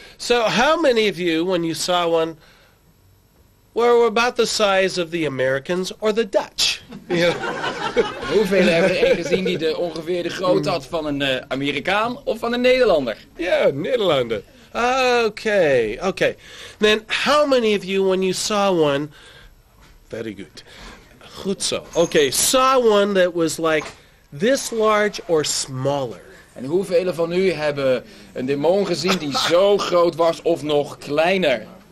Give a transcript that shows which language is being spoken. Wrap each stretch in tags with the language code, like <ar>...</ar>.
<en>So how many of you, when you saw one, were about the size of the Americans or the Dutch? Yeah.</en> <nl>Hoeveel hebben er een gezien die ongeveer de grootte had van een Amerikaan of van een Nederlander? Ja, yeah, Nederlander. Okay.</nl> <en>Then how many of you, when you saw one, very good.</en> <nl>Goed zo.</nl> <en>Okay, saw one that was like this large or smaller?</en> <nl>En hoeveel van u hebben een demon gezien die zo groot was of nog kleiner?</nl>